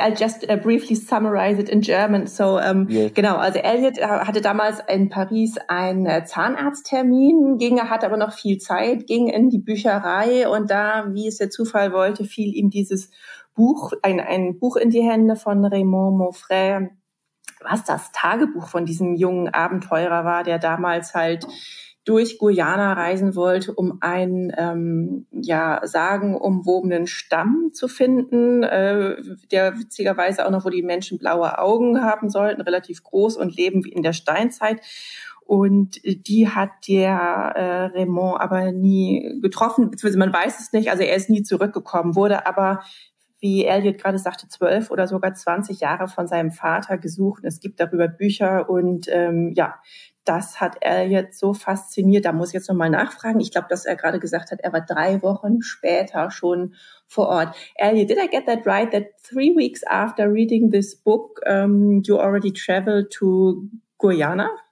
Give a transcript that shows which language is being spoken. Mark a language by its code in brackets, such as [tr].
[en] I'll just briefly summarize it in German. [de] So genau, also Elliot hatte damals in Paris einen Zahnarzttermin, hatte aber noch viel Zeit, ging in die Bücherei und da, wie es der Zufall wollte, fiel ihm dieses Buch, ein Buch in die Hände von Remo Mofre, was das Tagebuch von diesem jungen Abenteurer war, der damals halt durch Guyana reisen wollte, um einen sagenumwobenen Stamm zu finden, der witzigerweise auch noch, wo die Menschen blaue Augen haben sollten, relativ groß und leben wie in der Steinzeit. Und die hat der Raymond aber nie getroffen, beziehungsweise man weiß es nicht, also er ist nie zurückgekommen, wurde aber, wie Elliot gerade sagte, 12 oder sogar 20 Jahre von seinem Vater gesucht. Es gibt darüber Bücher und das hat er jetzt so fasziniert. Da muss ich jetzt nochmal nachfragen. Ich glaube, dass er gerade gesagt hat, er war 3 Wochen später schon vor Ort. [en] Elliot, did I get that right, that 3 weeks after reading this book, you already traveled to Guyana?